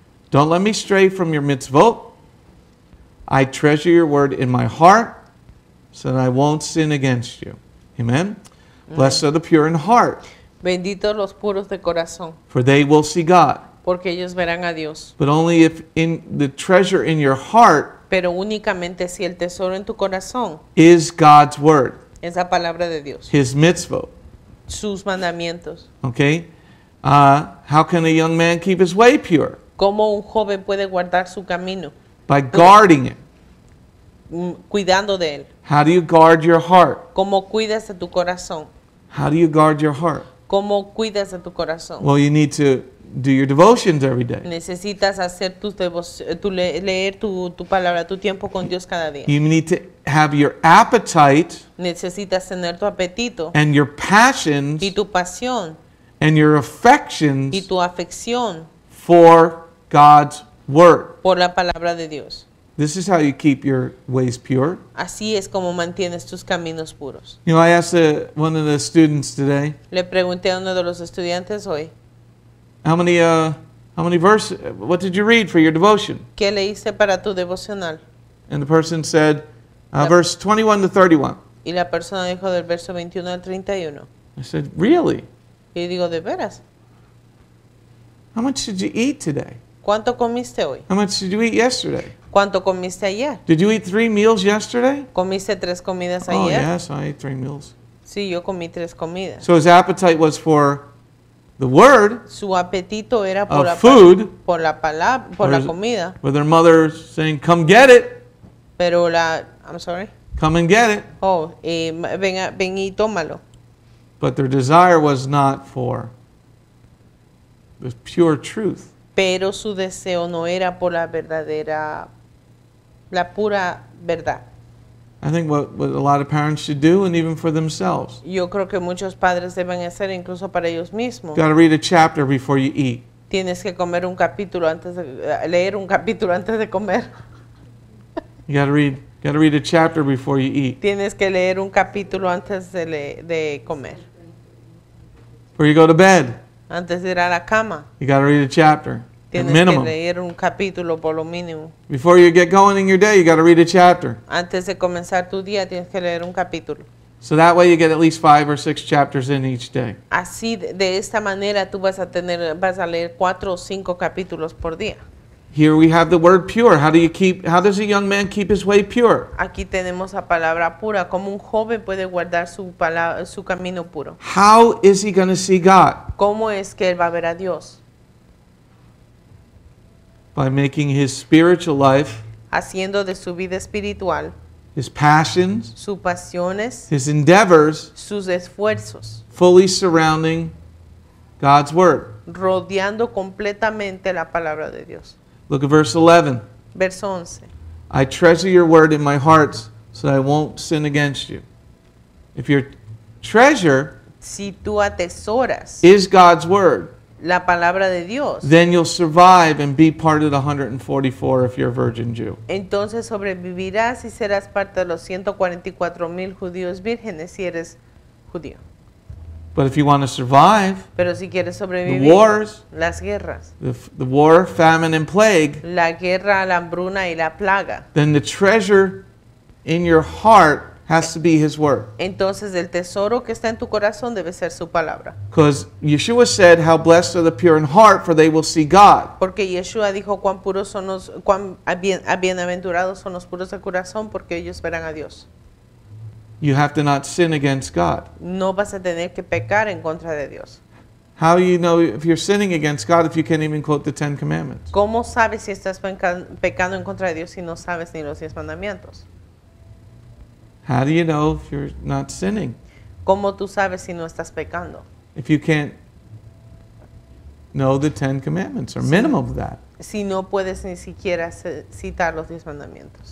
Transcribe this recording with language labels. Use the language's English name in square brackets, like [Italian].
[English] Don't let me stray from your mitzvot. I treasure your word in my heart so that I won't sin against you. Amen. Blessed are the pure in heart. [Spanish] Benditos los puros de corazón. [English] For they will see God. [Spanish] Porque ellos verán a Dios. [English] But only if in the treasure in your heart. [Spanish] Pero únicamente si el tesoro en tu corazón [English] is God's word. [Spanish] Es la palabra de Dios. [English] His mitzvot. [Spanish] Sus mandamientos. [English] Okay. How can a young man keep his way pure? [Spanish] ¿Cómo un joven puede guardar su camino? [English] By guarding it. [Spanish] Cuidando de él. [English] How do you guard your heart? [Spanish] ¿Cómo cuidas de tu corazón? [English] How do you guard your heart? [Spanish] ¿Cómo cuidas de tu corazón? [English] Well, you need to do your devotions every day. [Spanish] Necesitas hacer tus leer tu palabra, tu tiempo con Dios cada día. [English] You need to have your appetite. [Spanish] Necesitas tener tu apetito. [English] And your passions. [Spanish] Y tu pasión. [English] And your affections. [Spanish] Y tu afección. [English] For God's word. [Spanish] Por la palabra de Dios. [English] This is how you keep your ways pure. [Spanish] Así es como mantienes tus caminos puros. [English] You know, I asked one of the students today. [Spanish] Le pregunté a uno de los estudiantes hoy. [English] How many verses? What did you read for your devotion? [Spanish] ¿Qué leíste para tu devocional? [English] And the person said, verse 21 to 31. [Spanish] Y la persona dijo del verso 21 al 31. [English] I said, really? [Spanish] Y digo, ¿de veras? [English] How much did you eat today? [Spanish] ¿Cuánto comiste hoy? [English] How much did you eat yesterday? [Spanish] ¿Cuánto comiste ayer? [English] Did you eat three meals yesterday? [Spanish] ¿Comiste tres comidas oh, ayer? [English] Oh, yes, I ate three meals. [Spanish] Sí, yo comí tres comidas. [English] So his appetite was for the word. [Spanish] Su apetito era [English] of [Spanish] por la [English] food. [Spanish] Por la palabra, por la comida. [English] With her mother saying, come get it. [Spanish] Pero la, [English] I'm sorry. Come and get it. [Spanish] Oh, ven y tómalo. [English] But their desire was not for the pure truth. [Spanish] Pero su deseo no era por la verdadera, la pura verdad. [English] I think what a lot of parents should do, and even for themselves. [Spanish] Yo creo que muchos padres deben hacer incluso para ellos mismos. [English] Got to read a chapter before you eat. [Spanish] Tienes que comer un capítulo antes de leer un capítulo antes de comer. [English] You got to read a chapter before you eat. [Spanish] Tienes que leer un capítulo antes de comer. [English] before you go to bed. [Spanish] Antes de ir a la cama. [English] You got to read a chapter. [Spanish] Tienes que leer un capítulo por lo mínimo. [English] Before you get going in your day, you got to read a chapter. [Spanish] Antes de comenzar tu día, tienes que leer un capítulo. [English] So that way you get at least 5 or 6 chapters in each day. [Spanish] Así, de esta manera, tú vas a leer 4 o 5 capítulos por día. [English] Here we have the word pure. How does a young man keep his way pure? [Spanish] Aquí tenemos la palabra pura. ¿Cómo un joven puede guardar su camino puro? [English] How is he going to see God? [Spanish] ¿Cómo es que él va a ver a Dios? [English] By making his spiritual life, [Spanish] haciendo de su vida espiritual, [English] his passions, [Spanish] sus pasiones, [English] his endeavors, [Spanish] sus esfuerzos, [English] fully surrounding God's word, [Spanish] rodeando completamente la palabra de Dios. [English] Look at verse 11. [Spanish] Verso 11. [English] I treasure your word in my heart so that I won't sin against you. If your treasure, [Spanish] si tú atesoras, [English] is God's word, [Spanish] la palabra de Dios, [English] then you'll survive and be part of the 144 if you're a virgin Jew. [Spanish] Entonces sobrevivirás y serás parte de los 144,000 judíos vírgenes si eres judío. [English] But if you want to survive, [Spanish] pero si quieres sobrevivir, [English] the wars, [Spanish] las guerras, [English] the war, famine, and plague, [Spanish] la guerra, la hambruna y la plaga, [English] then the treasure in your heart has to be his word. [Spanish] Entonces el tesoro que está en tu corazón debe ser su palabra. [English] Because Yeshua said, "How blessed are the pure in heart, for they will see God." [Spanish] Porque Yeshua dijo, "Cuán puros son los, cuán bienaventurados son los puros de corazón, porque ellos verán a Dios." [English] You have to not sin against God. [Spanish] No vas a tener que pecar en contra de Dios. [English] How do you know if you're sinning against God if you can't even quote the Ten Commandments? [Spanish] ¿Cómo sabes si estás pecando en contra de Dios si no sabes ni los 10 mandamientos? [English] How do you know if you're not sinning? [Spanish] ¿Cómo tú sabes si no estás pecando? [English] If you can't know the Ten Commandments or minimum of that. [Spanish] Si no puedes ni siquiera citar los 10 mandamientos.